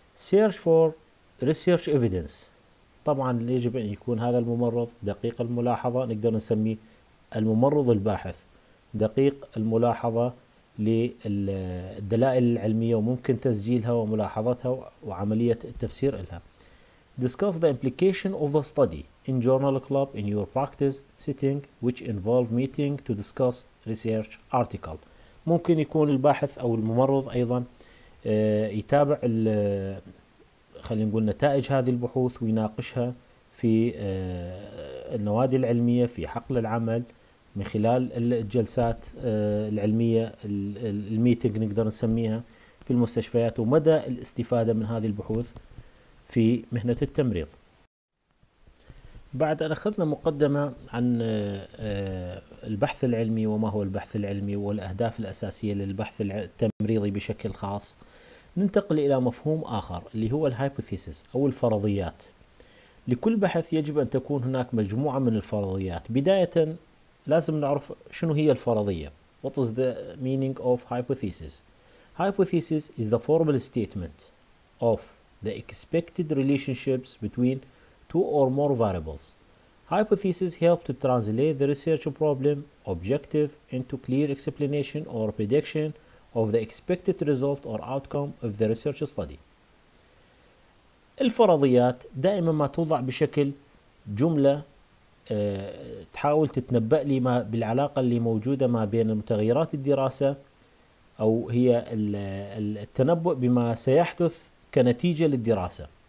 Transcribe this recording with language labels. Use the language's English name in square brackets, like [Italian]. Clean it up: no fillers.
[English] Search for research evidence. [Arabic] طبعا يجب أن يكون هذا الممرض دقيق الملاحظة، نقدر نسميه الممرض الباحث، دقيق الملاحظة للدلائل العلمية وممكن تسجيلها وملاحظتها وعملية التفسير لها. [English] Discuss the implication of the study in journal club in your practice setting which involve meeting to discuss research article. [Arabic] ممكن يكون الباحث أو الممرض أيضا يتابع خلينا نقول نتائج هذه البحوث ويناقشها في النوادي العلمية في حقل العمل من خلال الجلسات العلمية الميتنج نقدر نسميها في المستشفيات ومدى الاستفادة من هذه البحوث في مهنة التمريض. بعد أن أخذنا مقدمة عن البحث العلمي وما هو البحث العلمي والأهداف الأساسية للبحث التمريضي بشكل خاص، ننتقل إلى مفهوم آخر اللي هو الهايبوثيسس أو الفرضيات. لكل بحث يجب أن تكون هناك مجموعة من الفرضيات. بداية لازم نعرف شنو هي الفرضية. [English] What is the meaning of hypothesis? Hypothesis is the formal statement of the expected relationships between two or more variables. Hypothesis help to translate the research problem objective into clear explanation or prediction of the expected result or outcome of the research study. [Arabic] الفرضيات دائما ما توضع بشكل جملة تحاول تتنبأ لي ما بالعلاقة اللي موجودة ما بين المتغيرات الدراسة أو هي التنبؤ بما سيحدث كنتيجة للدراسة.